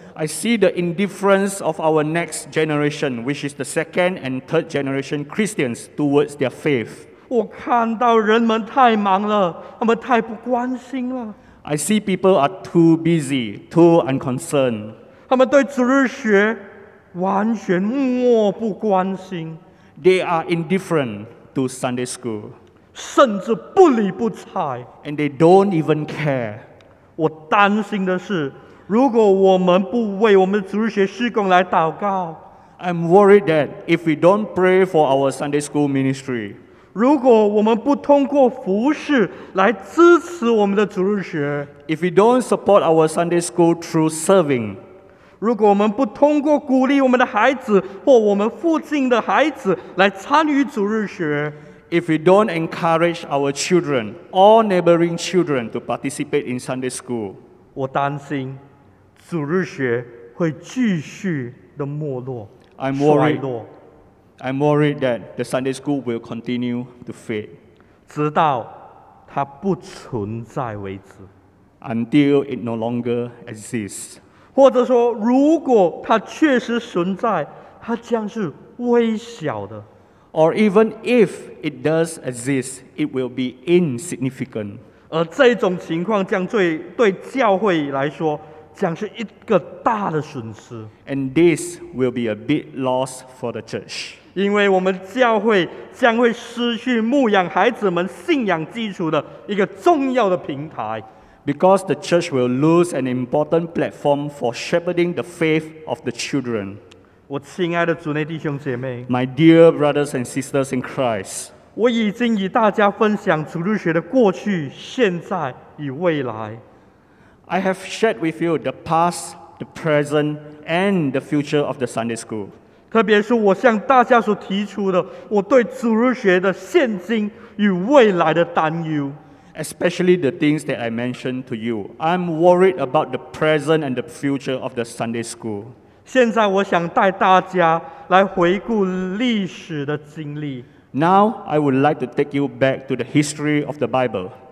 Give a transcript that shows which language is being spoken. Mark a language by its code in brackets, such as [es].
[en] I see the indifference of our next generation, which is the second and third generation Christians, towards their faith. [zh] 我看到人们太忙了，他们太不关心了。 [en] I see people are too busy, too unconcerned. [zh] 他们对主日学完全漠不关心。 [en] They are indifferent to Sunday school. [zh] 甚至不理不睬。 [en] And they don't even care. [zh] 我担心的是如果我们不为我们主日学事工来祷告， [en] I'm worried that if we don't pray for our Sunday school ministry, [zh] 如果我们不通过服事来支持我们的主日学， [en] if we don't support our Sunday school through serving, [zh] 如果我们不通过鼓励我们的孩子或我们附近的孩子来参与主日学， [en] if we don't encourage our children or neighboring children to participate in Sunday school, [zh] 我担心主日学会继续的没落。 [en] I'm worried that the Sunday school will continue to fade, [zh] 直到它不存在为止。 [en] Until it no longer exists. [zh] 或者说，如果它确实存在，它将是微小的。 [en] Or even if it does exist, it will be insignificant. [zh] 而这种情况将对教会来说将是一个大的损失。 [en] And this will be a big loss for the church. [zh] 因为我们教会将会失去牧养孩子们信仰基础的一个重要的平台。 [en] Because the church will lose an important platform for shepherding the faith of the children. [zh] 我亲爱的主内弟兄姐妹， [en] My dear brothers and sisters in Christ, [zh] 我已经与大家分享主日学的过去、现在与未来。 [en] I have shared with you the past, the present, and the future of the Sunday school. [zh] 特别是我向大家所提出的，我对主日学的现今与未来的担忧。 [en] Especially the things that I mentioned to you. I'm worried about the present and the future of the Sunday school. [zh] 现在我想带大家来回顾历史的经历。 [en] Now, I would like to take you back to the history of the Bible.